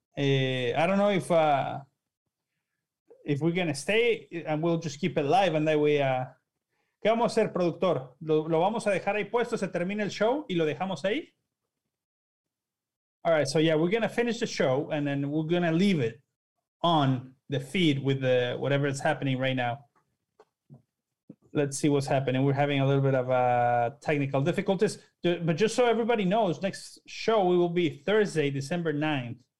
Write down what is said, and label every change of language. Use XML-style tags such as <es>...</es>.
<en>I don't know if we're going to stay and we'll just keep it live and that way.</en> <es>¿Qué vamos a hacer, productor? ¿Lo vamos a dejar ahí puesto? ¿Se termina el show y lo dejamos ahí?</es> <en>All right, so yeah, we're going to finish the show and then we're going to leave it on the feed with the whatever is happening right now. Let's see what's happening. We're having a little bit of technical difficulties. But just so everybody knows, next show, we will be Thursday, December 9th.</en>